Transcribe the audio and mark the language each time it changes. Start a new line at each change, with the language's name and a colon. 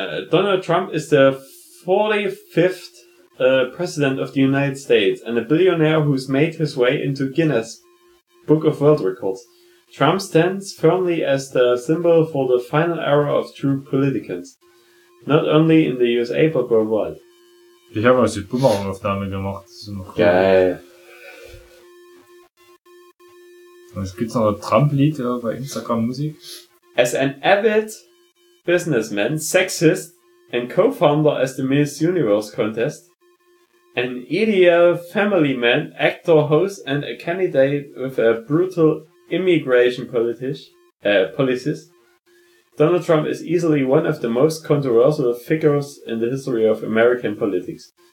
English: Donald Trump
German: ist der
English: 45th President of the United States and a billionaire who's made his way into Guinness Book of World Records. Trump stands firmly as the symbol for the final era of true politicians. Not only in the USA, but worldwide.
German: Ich habe also die Boomerang-Aufnahme gemacht. Das ist noch geil. Cool. Es gibt noch ein Trump-Lied ja, bei Instagram-Musik.
English: As an avid businessman, sexist and co-founder as the Miss Universe contest, an ideal family man, actor, host and a candidate with a brutal immigration policies, Donald Trump is easily one of the most controversial figures in the history of American politics.